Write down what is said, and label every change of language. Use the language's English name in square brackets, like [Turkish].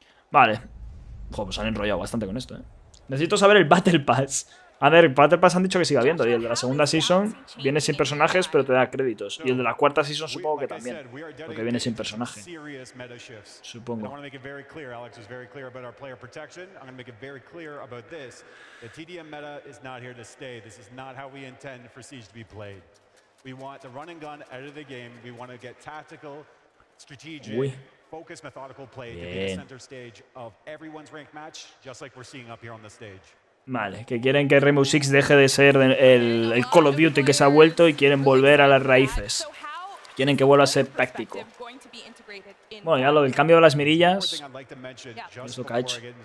[Spanish] Vale. Joder, pues han enrollado bastante con esto, ¿eh? Necesito saber el Battle Pass. A ver, Battle Pass han dicho que siga habiendo. Y el de la segunda season viene sin personajes, pero te da créditos. Y el de la cuarta season supongo que también, porque viene sin personaje. Supongo. [English] Alex was very clear about our player protection. I'm going to make it very clear about this. The TDM meta is not here to stay. This is not how we intend for Siege to be played. We want the run and gun out of the game. We want to get tactical, strategic, focused, methodical play to be the center stage of everyone's ranked match, just like we're seeing up here on the stage. [Spanish] Vale, que quieren que Rainbow Six deje de ser el Call of Duty que se ha vuelto y quieren volver a las raíces. Quieren que vuelva a ser táctico. Bueno, ya lo del cambio de las mirillas, eso que ha hecho.